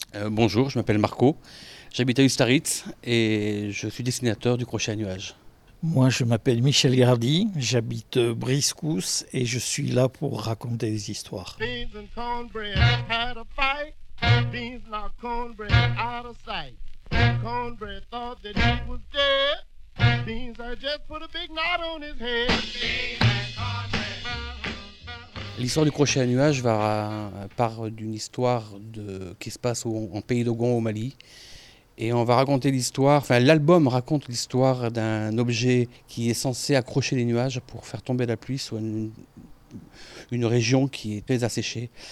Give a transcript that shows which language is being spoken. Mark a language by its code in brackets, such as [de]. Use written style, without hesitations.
[fr] Bonjour, je m'appelle Marco, j'habite à Ustaritz et je suis dessinateur du Crochet à nuages. Moi, je m'appelle Michel Gardy, j'habite Briscousse et je suis là pour raconter des histoires. [en] Beans and cornbread had a fight, beans knocked cornbread out of sight. Cornbread thought that he was dead, beans had just put a big knot on his head. [fr] L'histoire du crochet à nuages part d'une histoire qui se passe en pays d'Ogon, au Mali. Et on va raconter l'histoire, enfin l'album raconte l'histoire d'un objet qui est censé accrocher les nuages pour faire tomber la pluie sur une région qui est très asséchée.